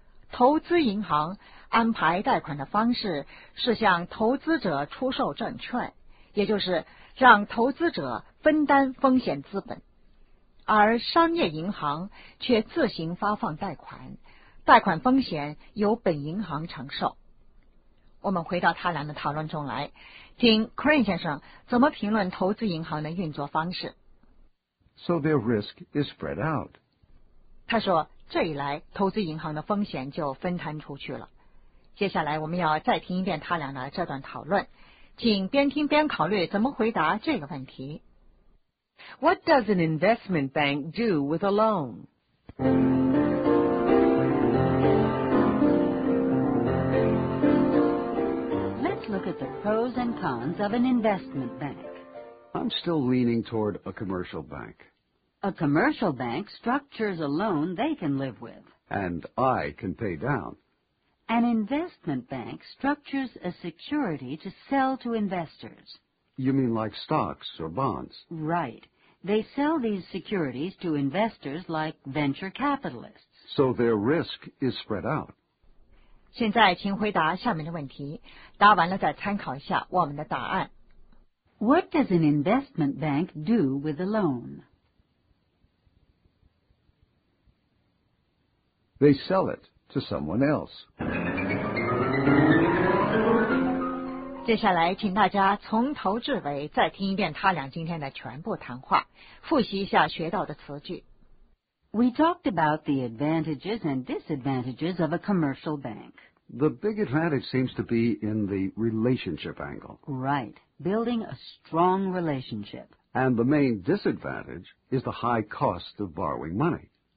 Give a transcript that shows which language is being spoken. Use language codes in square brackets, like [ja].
[zh] 投资银行安排贷款的方式是向投资者出售证券，也就是让投资者分担风险资本。而商业银行却自行发放贷款，贷款风险由本银行承受。我们回到贪婪的讨论中来，请 Crane 先生怎么评论投资银行的运作方式？ [en] So their risk is spread out. [zh] 他说，这一来投资银行的风险就分摊出去了。接下来我们要再听一遍他俩的这段讨论，请边听边考虑怎么回答这个问题。 [en] What does an investment bank do with a loan? Let's look at the pros and cons of an investment bank. I'm still leaning toward a commercial bank. A commercial bank structures a loan they can live with. And I can pay down. An investment bank structures a security to sell to investors. You mean like stocks or bonds? Right. They sell these securities to investors like venture capitalists. So their risk is spread out. [zh] 现在请回答下面的问题，答完了再参考一下我们的答案。 [en] What does an investment bank do with a loan? They sell it. To someone else. [zh] 接下来请大家从头至尾再听一遍他俩今天的全部谈话，复习一下学到的词句。 [en] We talked about the advantages and disadvantages of a commercial bank. The big advantage seems to be in the relationship angle. Right, building a strong relationship. And the main disadvantage is the high cost of borrowing money.